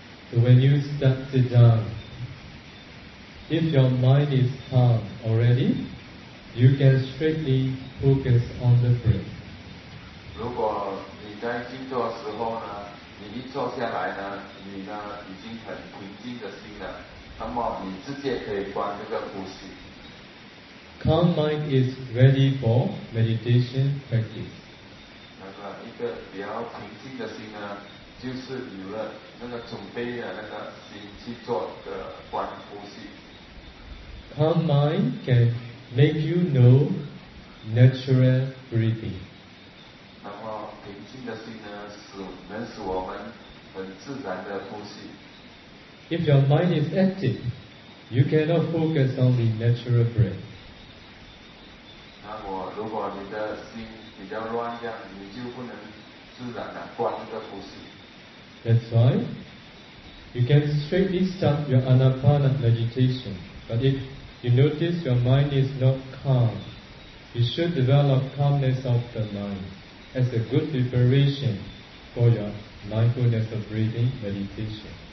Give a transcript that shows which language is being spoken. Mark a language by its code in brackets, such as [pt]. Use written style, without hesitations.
[en] So when you start to down, if your mind is calm already, you can strictly focus on the breath. [zh] 如果你在静坐时候呢你一坐下来呢，你呢已经很平静的心了，那么你直接可以观这个呼吸。 [en] Calm mind is ready for meditation practice。 [zh] 那个一个比较平静的心呢，就是有了那个准备的那个心去做的观呼吸。 [en] Calm mind can make you know natural breathing。 [zh] 然后平静的心呢，能使我们很自然的呼吸。 [en] If your mind is active, you cannot focus on the natural breath. [zh] 那我如果你的心比较乱这样，你就不能自然的观这个呼吸。 [en] That's why you can straightly start your anapana meditation. But if you notice your mind is not calm, you should develop calmness of the mind. As a good preparation for your mindfulness of breathing meditation.